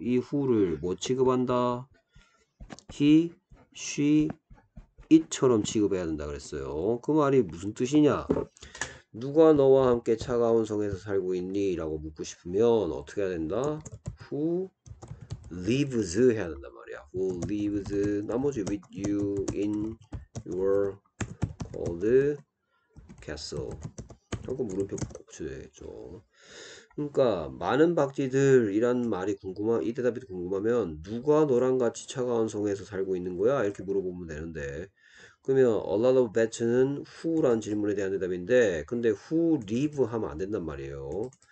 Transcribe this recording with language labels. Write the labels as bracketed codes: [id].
[ko] 이 후를 뭐 취급한다? He, she, it처럼 취급해야 된다 그랬어요. 그 말이 무슨 뜻이냐? 누가 너와 함께 차가운 성에서 살고 있니? 라고 묻고 싶으면 어떻게 해야 된다? [en] Who lives [ko] 해야 된단 말이야. [en] Who lives [ko] 나머지 [en] with you in your old castle. [ko] 하고 물음표 붙여야 되겠죠. 그러니까 많은 박쥐들 이란 말이 궁금한 이 대답이 궁금하면 누가 너랑 같이 차가운 성에서 살고 있는 거야? 이렇게 물어보면 되는데 그러면 [en] a lot of bats [ko] 는 who라는 질문에 대한 대답인데 근데 [en] who live [ko] 하면 안 된단 말이에요.